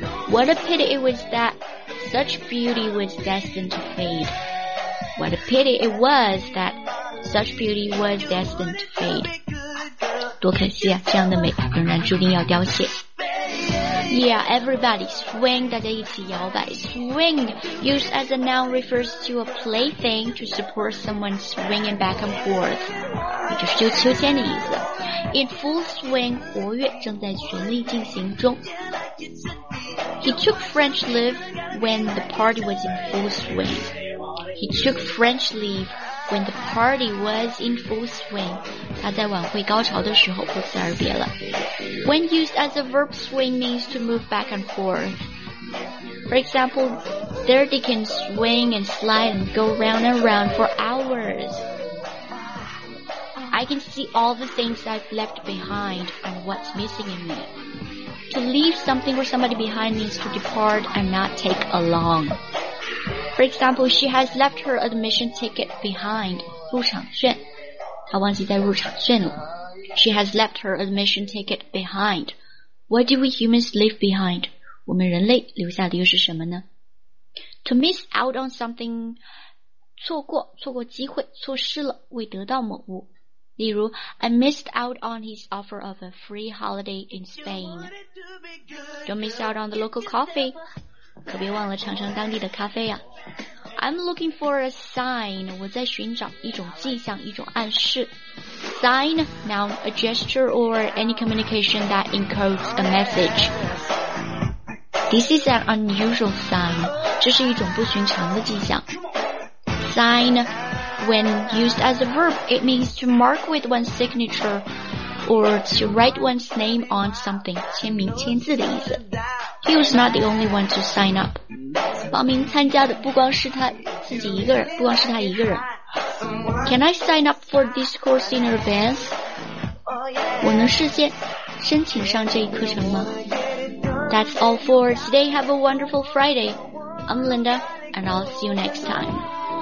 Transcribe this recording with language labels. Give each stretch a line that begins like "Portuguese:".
English: What a pity it was that such beauty was destined to fade. What a pity it was that such beauty was destined to fade.
Chinese: 多可惜啊，这样的美仍然注定要凋谢。
English: Yeah, everybody, swing,
Chinese: 大家一起摇摆。
English: Swing, used as a noun, refers to a plaything to support someone swinging back and forth.
Chinese: 也就是就秋千的意思。
English: In full swing,
Chinese: 活跃正在全力进行中。
English: He took French leave when the party was in full swing. He took French leave. When the party was in full swing,
Chinese: 他在晚会高潮的时候不辞而别了。
English: When used as a verb, swing means to move back and forth. For example, there they can swing and slide and go round and round for hours. I can see all the things I've left behind and what's missing in me. To leave something or somebody behind means to depart and not take along. For example, she has left her admission ticket behind.
Chinese: 入场券，她忘记在入场券了。
English: She has left her admission ticket behind. What do we humans leave behind?
Chinese: 我们人类留下的又是什么呢？
English: To miss out on something,
Chinese: 错过机会，错失了，未得到某物。例如
English: I missed out on his offer of a free holiday in Spain. Don't miss out on the local coffee.
Chinese: 可别忘了尝尝当地的咖啡呀、啊、
English: I'm looking for a sign.
Chinese: 我在寻找一种迹象，一种暗示。
English: Sign, noun, a gesture or any communication that encodes a message. This is an unusual sign.
Chinese: 这是一种不寻常的迹象。
English: Sign, when used as a verb, it means to mark with one's signature or to write one's name on something.
Chinese: 签名签字的意思。
English: He was not the only one to sign up.
Chinese: 报名参加的不光是他自己一个人，不光是他一个人。
English: Can I sign up for this course in advance?
Chinese: 我能事先申请上这一课程吗？
English: That's all for today. Have a wonderful Friday. I'm Linda, and I'll see you next time.